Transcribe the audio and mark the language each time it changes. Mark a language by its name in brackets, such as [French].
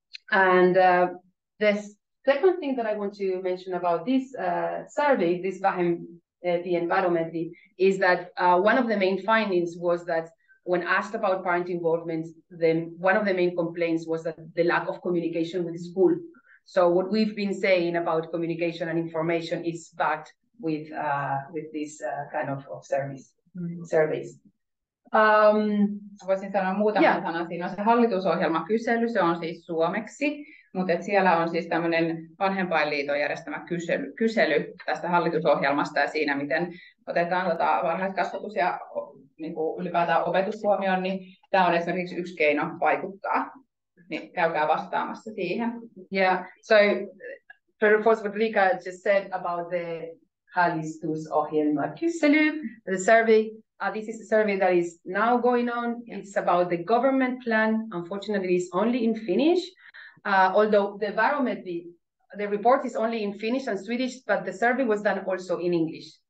[English] And the second thing that I want to mention about this survey, this Bahem, the environment, is that one of the main findings was that when asked about parent involvement, then one of the main complaints was that the lack of communication with school. So what we've been saying about communication and information is backed with this kind of service, surveys. [Finnish] Voisin sanoa muutaman sanan. Siinä on se hallitusohjelmakysely, se on siis suomeksi, mutta siellä on siis tämmöinen vanhempainliiton järjestämä kysely tästä hallitusohjelmasta ja siinä, miten otetaan varhaiskasvatus ja niinku ylipäätään opetus huomioon, niin tämä on esimerkiksi yksi keino vaikuttaa. Niin käykää vastaamassa siihen. [English] Yeah, so to reinforce what Lika just said about the hallitusohjelmakysely, the survey. This is a survey that is now going on. It's about the government plan. Unfortunately, it's only in Finnish. Although the barometer, the report is only in Finnish and Swedish, but the survey was done also in English.